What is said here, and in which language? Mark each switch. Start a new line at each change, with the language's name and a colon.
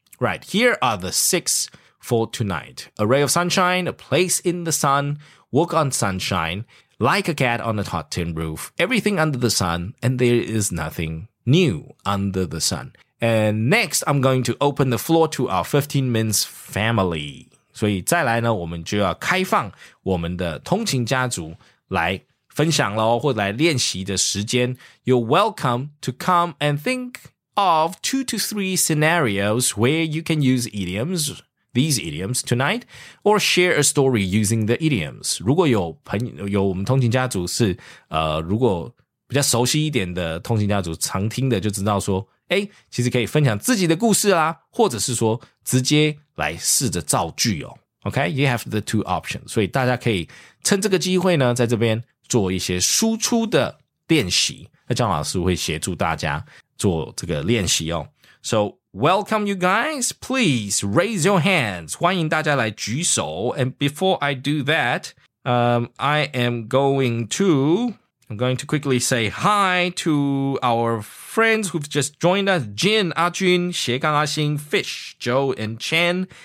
English: Right, here are the six for tonight. A ray of sunshine, a place in the sun, walk on sunshine, like a cat on a hot tin roof, everything under the sun, and there is nothing new under the sun. And next, I'm going to open the floor to our 15 Minutes family.
Chinese: 所以再来呢，我们就要开放我们的通勤家族来分享咯，或来练习的时间。
English: You're welcome to come and think of 2 to 3 scenarios where you can use idioms, these idioms tonight, or share a story using the idioms.
Chinese: 如果有朋友，有我们通勤家族是如果比较熟悉一点的通勤家族常听的，就知道说诶，其实可以分享自己的故事啦，或者是说直接来试着造句哦。
English: OK, you have the two options.
Chinese: 所以大家可以趁这个机会呢，在这边做一些输出的练习，那姜老师会协助大家做这个练习哦。
English: So welcome you guys, please raise your hands.
Chinese: 欢迎大家来举手。
English: And before I do that, I'm going to quickly say hi to our friends who've just joined us: Jin, Ajun, 斜杠阿星, Fish, Joe, and Chen.